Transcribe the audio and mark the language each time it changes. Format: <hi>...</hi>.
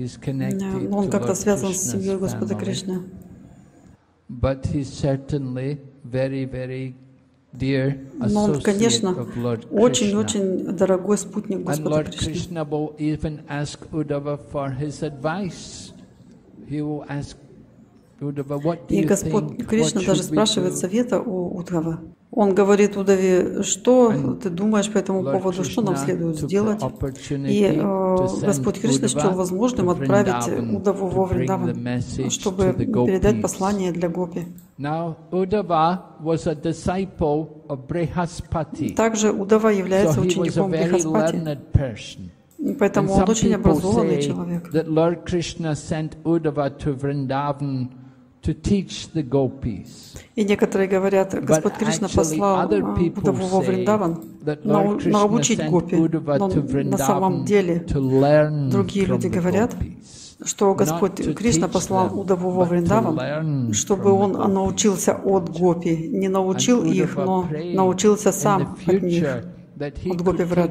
<ru>Но он как-то связан с семьей Господа Кришны.</ru> <en>But he's certainly very, very dear associate of Lord Krishna.</en> <ru>Но он, конечно, очень-очень дорогой спутник Господа Кришны.</ru> <en>And Lord Krishna will even ask Uddhava for his advice. He will ask Uddhava, what do you think?</en> <ru>И Господь Кришна даже спрашивает совета у Уддхавы. Он говорит Удаве, что ты думаешь по этому поводу, что нам следует сделать. И Господь Кришна счел возможным отправить Удаву во Вриндаван, чтобы передать послание для гопи. Также Удава является учеником Брихаспати. Поэтому он очень образованный человек.</ru> <en>That Lord Krishna sent Udhava to Vrindavan to teach the gopis.</en> <ru>И некоторые говорят, Господь Кришна послал Удаву во Вриндаван научить гопи, но на самом деле другие люди говорят, что Господь Кришна послал Удаву во Вриндаван, чтобы он научился от гопи, не научил их, но научился сам от них, от гопи</ru>